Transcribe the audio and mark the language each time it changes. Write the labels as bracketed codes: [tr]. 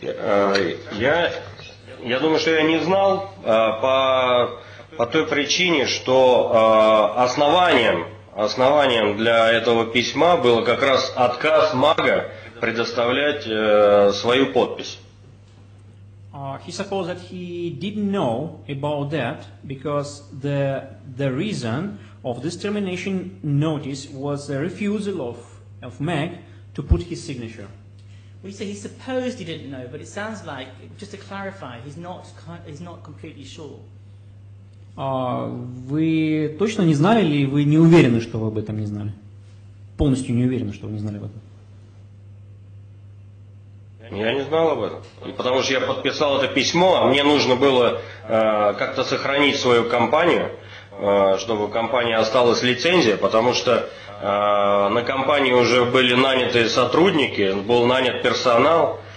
[ru] Я думаю, что я не знал по той причине, что основанием для этого письма было как раз отказ мага предоставлять свою подпись. [en] He supposed that he didn't know about that because the reason of this termination notice was the refusal of MAG to put his signature. Well, you say he supposed he didn't know, but it sounds like, just to clarify, he's not completely sure. [ru] Вы точно не знали или вы не уверены, что вы об этом не знали? Полностью не уверены, что вы не знали об этом? Я не знал об этом, потому что я подписал это письмо, а мне нужно было как-то сохранить свою компанию, чтобы у компании осталась лицензия, потому что на компании уже были наняты сотрудники, был нанят персонал.